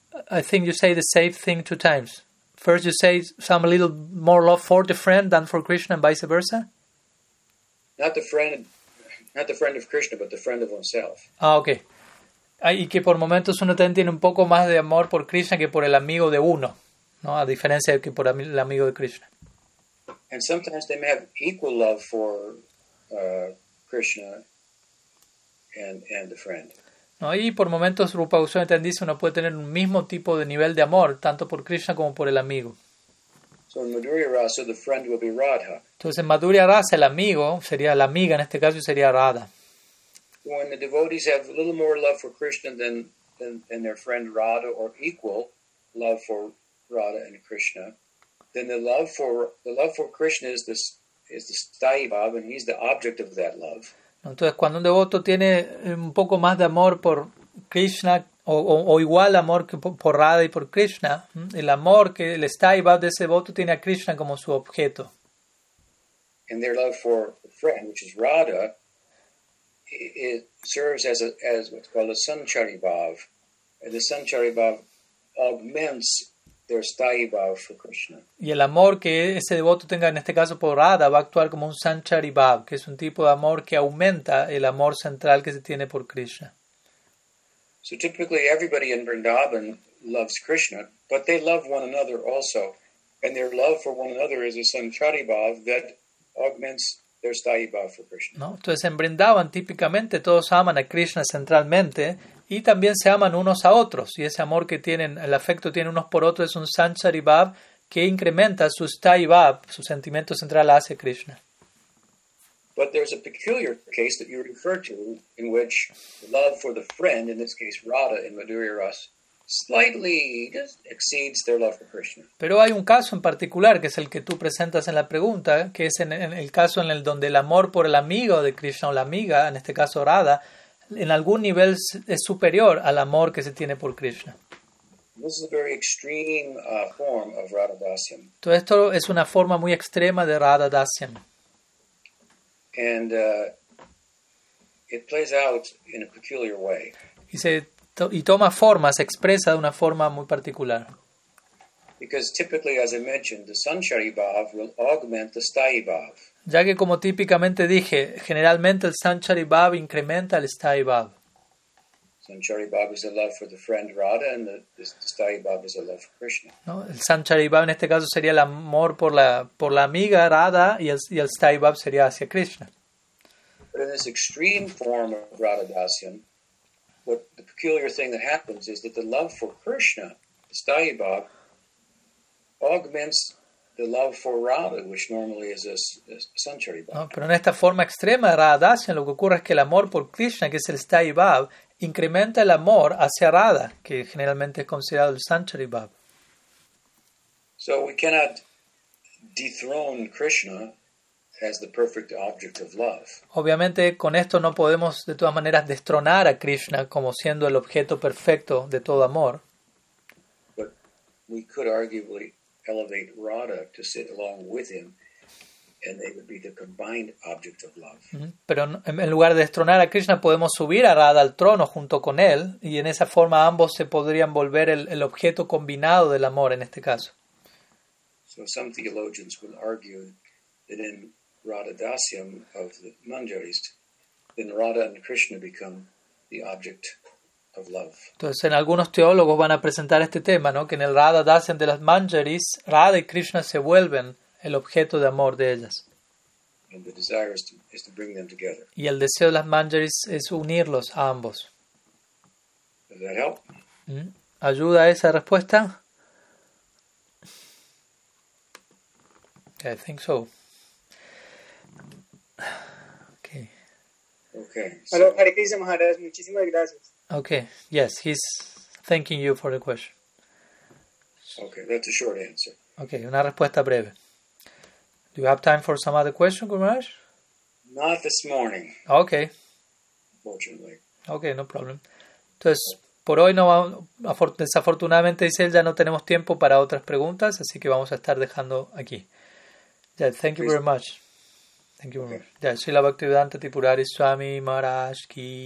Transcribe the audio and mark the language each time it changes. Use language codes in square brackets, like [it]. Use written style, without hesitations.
[en] I think you say the same thing two times. First you say some little more love for the friend than for Krishna and vice versa? Not the friend of Krishna, but the friend of oneself. Ah, okay. [es] Y que por momentos uno también tiene un poco más de amor por Krishna que por el amigo de uno, ¿no? A diferencia de que por el amigo de Krishna. [en] And sometimes they may have equal love for Krishna and the friend. [es] ¿No? Y por momentos, Rupa Goswami dice, uno puede tener un mismo tipo de nivel de amor, tanto por Krishna como por el amigo. [en] So in Madhurya Rasa, the friend will be Radha. [es] Entonces en Madhurya Rasa, el amigo sería la amiga, en este caso sería Radha. [en] When the devotees have a little more love for Krishna than their friend Radha, or equal love for Radha and Krishna, then the love for Krishna is the sthayi bhav, and he's the object of that love. [es] Entonces cuando un devoto tiene un poco más de amor por Krishna o igual amor que por Radha y por Krishna, el amor que le está y va de ese devoto tiene a Krishna como su objeto. [en] And their love for the friend, which is Radha, it serves as what's called a sanchari bhav. And the sanchari bhav augments their sthayi bhav for Krishna. [es] Y el amor que ese devoto tenga en este caso por Radha va a actuar como un sanchari bhav, que es un tipo de amor que aumenta el amor central que se tiene por Krishna. [en] So typically everybody in Vrindavan loves Krishna, but they love one another also. And their love for one another is a sanchari bhav that augments their sthayi bhav for Krishna. [es] No, entonces en Vrindavan típicamente todos aman a Krishna centralmente, y también se aman unos a otros, y ese amor que tienen, el afecto tienen unos por otros, es un sanchari bhav que incrementa su sthayi bhav, su sentimiento central hacia Krishna. [en] But there's a peculiar case that you refer to in which love for the friend, in this case Radha in Madhurya Ras, slightly exceeds their love for Krishna. [es] Pero hay un caso en particular que es el que tú presentas en la pregunta, que es en el caso en el donde el amor por el amigo de Krishna o la amiga, en este caso Radha, en algún nivel es superior al amor que se tiene por Krishna. [en] This is a very extreme form of Radha Dasyam. [es] Todo esto es una forma muy extrema de Radha Dasyam. [en] And it plays out in a peculiar way. [es] Y toma forma, se expresa de una forma muy particular. [en] Because typically, as I mentioned, the sanchari bhav will augment the sthayi bhav. [es] Ya que como típicamente dije, generalmente el sanchari bhav incrementa el sthayi bhav. [en] Sanchari bhav is a love for the friend Radha, and the sthayi bhav is a love for Krishna. [es] No, el sanchari bhav en este caso sería el amor por la amiga Radha, y el sthayi bhav sería hacia Krishna. [en] But in this extreme form of Radha Dasyam, what the peculiar thing that happens is that the love for Krishna, the sthayi bhav, augments the love for Radha, which normally is a sanchari bhav. [es] No, pero en esta forma extrema de Radha Dasyam, lo que ocurre es que el amor por Krishna, que es el sthayi bhav, incrementa el amor hacia Radha, que generalmente es considerado el sanchari bhav. [en] So we cannot dethrone Krishna as the perfect object of love. [es] Obviamente con esto no podemos de todas maneras destronar a Krishna como siendo el objeto perfecto de todo amor. [en] But we could arguably elevate Radha to sit along with him, and they would be the combined object of love. [es] Pero en lugar de destronar a Krishna, podemos subir a Radha al trono junto con él, y en esa forma ambos se podrían volver el objeto combinado del amor en este caso. [en] So some theologians would argue that in Radha Dasyam of the Manjaris, then Radha and Krishna become the object of love. [es] Entonces en algunos teólogos van a presentar este tema, ¿no? Que en el Radha Dasyam de las Manjaris, Radha y Krishna se vuelven el objeto de amor de ellas. [en] And the desire is to bring them together. [es] Y el deseo de las Manjaris es unirlos a ambos. [en] Does that help? [es] ¿Ayuda a esa respuesta? [en] I think so. Okay. Okay. Hello, Hare Krishna Maharaj. [es] Muchísimas gracias. [en] Okay. Yes, he's thanking you for the question. Okay, that's a short answer. [es] Okay, una respuesta breve. [en] Do you have time for some other question, Guru Maharaj? Not this morning. Okay. Fortunately. Okay, no problem. [es] Entonces, por hoy no vamos, desafortunadamente dice él, ya no tenemos tiempo para otras preguntas, así que vamos a estar dejando aquí. [en] Yeah, thank you very much. Thank you very much. Yeah, Srila Bhaktivedanta Tipurari Swami Maharaj Ki.